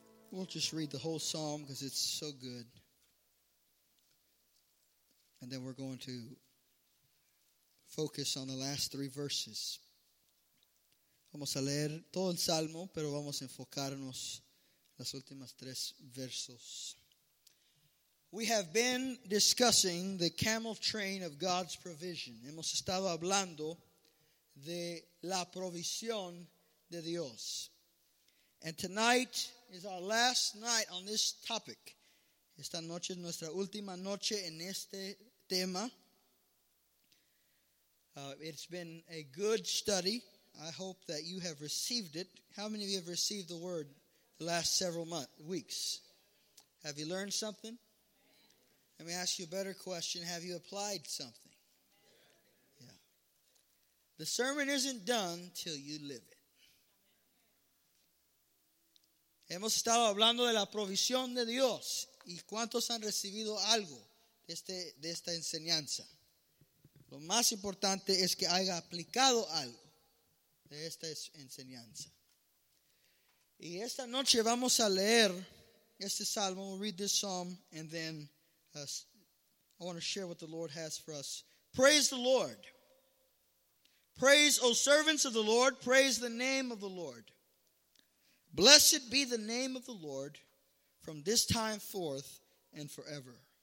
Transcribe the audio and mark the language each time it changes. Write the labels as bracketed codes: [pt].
[en] We'll just read the whole psalm because it's so good. And then we're going to focus on the last three verses. [es] Vamos a leer todo el salmo, pero vamos a enfocarnos las últimas tres versos. [en] We have been discussing the camel train of God's provision. [es] Hemos estado hablando de la provisión de Dios. [en] And tonight is our last night on this topic. [es] Esta noche es nuestra última noche en este tema. [en] It's been a good study. I hope that you have received it. How many of you have received the word the last several weeks? Have you learned something? Let me ask you a better question. Have you applied something? Yeah. The sermon isn't done till you live it. [es] Hemos estado hablando de la provisión de Dios. ¿Y cuántos han recibido algo de esta enseñanza? Lo más importante es que haya aplicado algo de esta enseñanza. Y esta noche vamos a leer este salmo. [en] We'll read this psalm and then I want to share what the Lord has for us. Praise the Lord. Praise, O servants of the Lord. Praise the name of the Lord. Blessed be the name of the Lord from this time forth and forever.